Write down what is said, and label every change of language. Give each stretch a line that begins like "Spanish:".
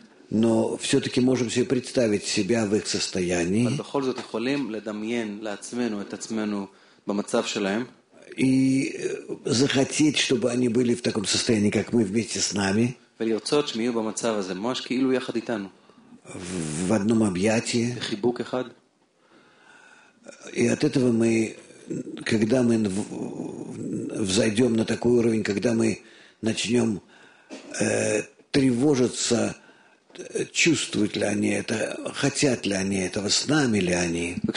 Russian: но все-таки можем себе представить себя в их состоянии.
Hebrew: אבל בכל זאת יכולים לדמיין לעצמנו את עצמנו במצב שלהם.
Russian: И захотеть, чтобы они были в таком состоянии, как мы вместе с нами.
Hebrew: ולרצות שהם יהיו במצב הזה, ממש כאילו יחד איתנו.
Russian: В одном объятии.
Hebrew: בחיבוק אחד.
Russian: И от этого мы, когда мы взойдем на такой уровень, когда мы начнем тревожиться, чувствуют ли они это, хотят ли они этого, с нами ли они.